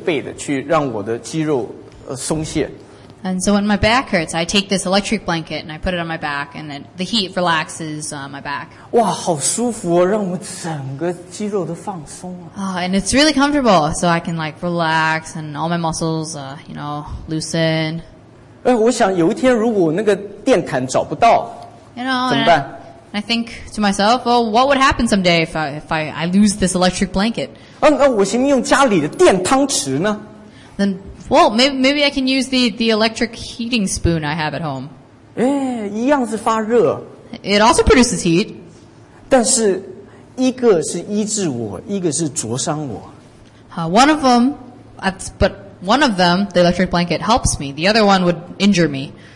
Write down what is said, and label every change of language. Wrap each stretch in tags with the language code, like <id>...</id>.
<zh>你说我背痛的时候，我就会用家里那个电毯，那种用电的，是专门敷我这个背的，去让我的肌肉松懈。</zh> <en>And so when my back hurts, I take this electric blanket and I put it on my back, and then the heat relaxes my back.</en> <zh>哇，好舒服哦，让我整个肌肉都放松了。</zh> <en>And it's really comfortable, so I can like relax and all my muscles, you know, loosen.</en> <zh>哎，我想有一天如果那个电毯找不到，</zh> <en>you know,</en> <zh>怎么办？</zh> <en>I think to myself, well, what would happen someday if I lose this electric blanket?</en> <zh>那我行不行用家里的电汤匙呢？</zh> <en>Then, well, maybe I can use the electric heating spoon I have at home.</en> <zh>哎，一样是发热。</zh> <en>It also produces heat.</en> <zh>但是一个是医治我，一个是灼伤我。</zh> <en>One of them, the electric blanket, helps me. The other one would injure me.</en>